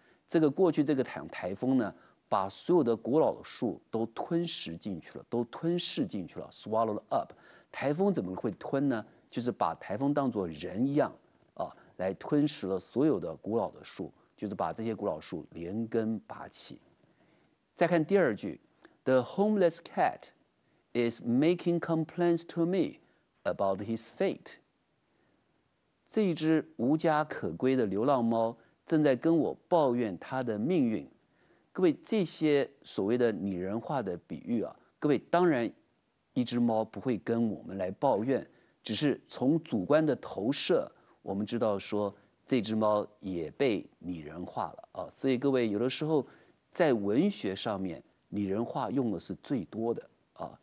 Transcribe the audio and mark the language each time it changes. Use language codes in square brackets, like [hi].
[zh] 这个过去这个 台风呢，把所有的古老的树都吞噬进去了，都吞噬进去了 [en] swallowed up。 [zh] 台风怎么会吞呢？就是把台风当作人一样啊，来吞噬了所有的古老的树，就是把这些古老树连根拔起。再看第二句 [en] The homeless cat is making complaints to me about his fate。 [zh] 这一只无家可归的流浪猫正在跟我抱怨它的命运。各位，这些所谓的拟人化的比喻啊，各位，当然一只猫不会跟我们来抱怨，只是从主观的投射，我们知道说这只猫也被拟人化了啊。所以各位，有的时候在文学上面拟人化用的是最多的啊。